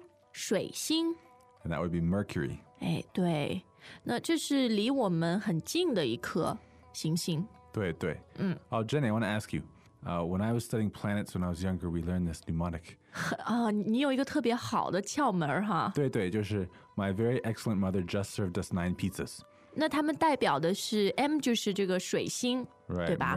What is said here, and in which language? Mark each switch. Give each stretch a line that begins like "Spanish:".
Chinese: 科。对。那今天我们看到了非常多的行星啊，那他们第一颗看到的呢，是水星。水星。
English: And that would be Mercury.
Chinese: 哎，对。那这是离我们很近的一颗行星。对对。
English: Oh, Jenny, I want to ask you. When I was studying planets when I was younger, we learned this mnemonic.
Chinese: 你有一个特别好的窍门哈。对对，就是
English: My very excellent mother just served us 9 pizzas.
Chinese: 那他们代表的是 M就是这个水星，对吧？